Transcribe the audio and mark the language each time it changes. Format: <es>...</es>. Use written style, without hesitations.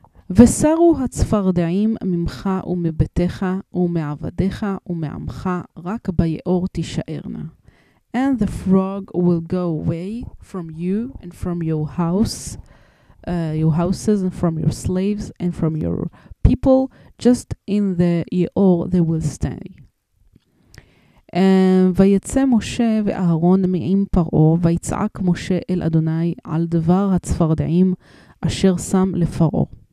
<he>ושרו הצפרדעים ממך ומבתך ומעבדך ומעמך רק ביאור תישארנה.</he> <en>And the frog will go away from you and from your house, your houses, and from your slaves, and from your people, just in the Yeor they will stay.</en> <he>ויצא משה ואהרון מעם פרעה, ויצעק משה אל אדוני על דבר הצפרדעים אשר שם לפרעה.</he>